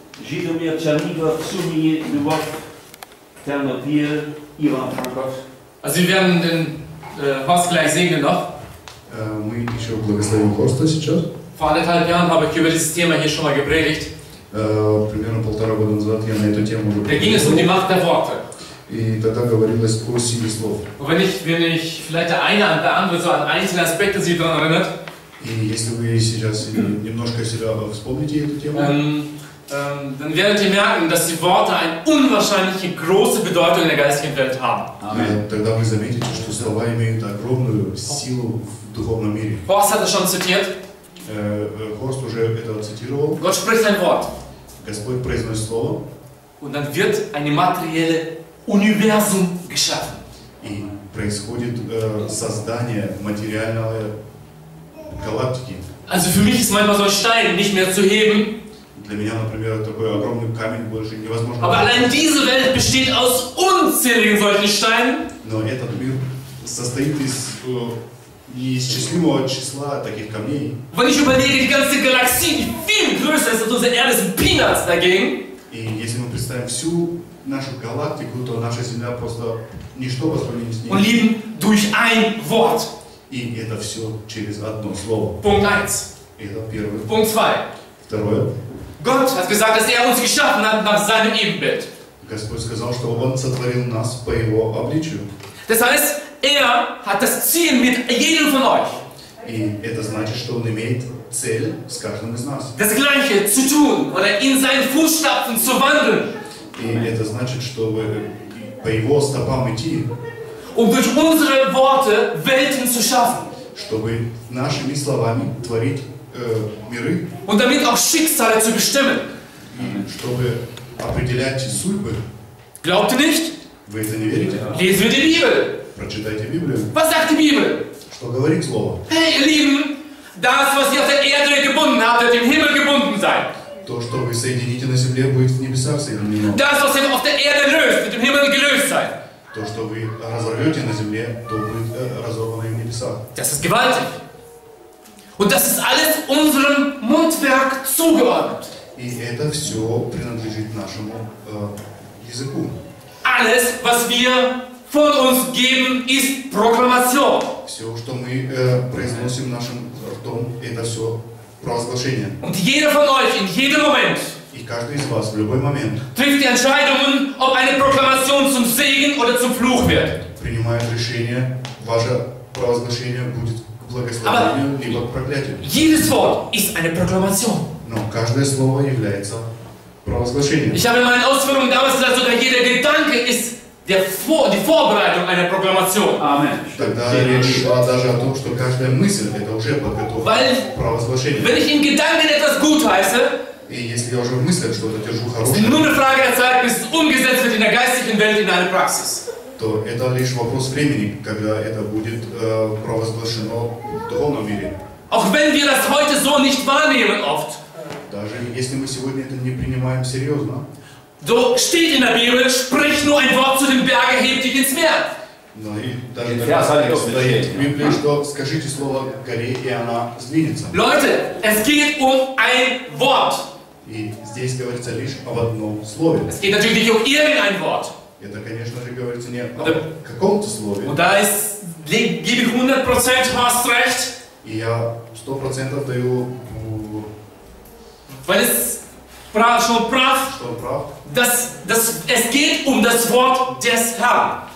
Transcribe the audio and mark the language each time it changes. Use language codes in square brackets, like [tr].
[uk] Житомир, Чернігів, Сумі, Львів, Тернопіль, Іван Франков. [de] Also wir werden den Horst gleich segnen noch. [ru] Мы еще благословим Хорста сейчас. [de] Vor anderthalb Jahren habe ich über dieses Thema hier schon mal gepredigt. [ru] Примерно полтора года назад я на эту тему уже. [de] Da ging es um die Macht der Worte. [ru] И тогда говорилось о силе слов. [de] Wenn ich vielleicht der eine oder andere so an einzelne Aspekte sich daran erinnert. [ru] И если вы сейчас немножко себя вспомните эту тему. [de] Dann werdet ihr merken, dass die Worte eine unwahrscheinlich große Bedeutung in der geistigen Welt haben. Amen. [ru] Тогда вы заметите, что слова имеют огромную силу в духовном мире. [de] Horst hat es schon zitiert. [ru] Horst уже это цитировал. [de] Gott spricht ein Wort. [ru] Господь произносит слово. [de] Und dann wird eine materielle Universum geschaffen. [ru] И происходит создание материальной галактики. [de] Also für mich ist manchmal so ein Stein nicht mehr zu heben. [ru] Для меня, например, такой огромный камень больше невозможно. [de] Aber allein diese Welt besteht aus unzähligen solchen Steinen. [ru] Но этот мир состоит из неисчислимого числа таких камней. [de] Wenn ich überlege, die ganze Galaxie, die viel größer ist als unsere Erde, sind Peanuts dagegen. [ru] И если мы представим всю нашу галактику, то наша Земля просто ничто по сравнению с ней. [de] Und leben durch ein Wort. [ru] И это все через одно слово. [de] Punkt 1. [ru] Это первое. [de] Punkt 2. [ru] Второе. [de] Gott hat gesagt, dass uns geschaffen hat nach seinem Ebenbild. [ru] Господь сказал, что Он сотворил нас по Его обличию. [de] Das heißt, hat das Ziel mit jedem von euch. [ru] И это значит, что он имеет цель с каждым из нас. [de] Das Gleiche zu tun oder in seinen Fußstapfen zu wandeln. [ru] И это значит, чтобы по его стопам идти. [de] Um durch unsere Worte Welten zu schaffen. [ru] Чтобы нашими словами творить миры. [de] Und damit auch Schicksale zu bestimmen. [ru] И чтобы определять судьбы. [de] Glaubt ihr nicht? [ru] Вы это не верите? [de] Lesen wir die Bibel. [ru] Прочитайте Библию. [de] Was sagt die Bibel? [ru] Что говорит слово? [de] Hey, ihr Lieben, das, was ihr auf der Erde gebunden habt, wird im Himmel gebunden sein. [ru] То, что вы соедините на земле, будет в небесах соединено. [de] Das, was ihr auf der Erde löst, wird im Himmel gelöst sein. [ru] То, что вы разорвете на земле, то будет разорвано и в небесах. [de] Das ist gewaltig. Und das ist alles unserem Mundwerk zugeordnet. [ru] И это все принадлежит нашему языку. [de] Alles, was wir von uns geben, ist Proklamation. [ru] Все, что мы произносим нашим ртом, это все провозглашение. [de] Und jeder von euch in jedem Moment. [ru] И каждый из вас в любой момент. [de] Trifft die Entscheidungen, ob eine Proklamation zum Segen oder zum Fluch wird. [ru] Принимает решение, ваше провозглашение будет к благословению либо к проклятию. [de] Jedes Wort ist eine Proklamation. [ru] Но каждое слово является провозглашением. [de] Ich habe in meinen Ausführungen damals gesagt, sogar jeder Gedanke ist die Vorbereitung einer Proklamation. Amen. [ru] Тогда речь шла даже о том, что каждая мысль это уже подготовка к провозглашению. [de] Wenn ich in Gedanken etwas gut heiße, [ru] и если я уже в мыслях что-то держу хорошее, [de] ist nur eine Frage der Zeit, bis es umgesetzt wird in der geistigen Welt in eine Praxis. [ru] То это лишь вопрос времени, когда это будет провозглашено в духовном мире. [de] Auch wenn wir das heute so nicht wahrnehmen oft. [ru] Даже если мы сегодня это не принимаем серьезно. [de] So steht in der Bibel, sprich nur ein Wort zu dem Berg, erheb dich ins Meer. [ru] Но и даже тогда, когда стоит в Библии, что скажите слово горе, и она сдвинется. [de] Leute, es geht um ein Wort. [ru] И здесь говорится лишь об одном слове. [de] Es geht natürlich nicht um irgendein Wort. [ru] Это, конечно же, говорится не о каком-то слове. [de] Und da ist, gebe ich 100% Horst recht. [ru] И я 100% даю... [de] Weil es prav, schon prav, [ru] что прав, [de] dass es geht um das Wort des Herrn.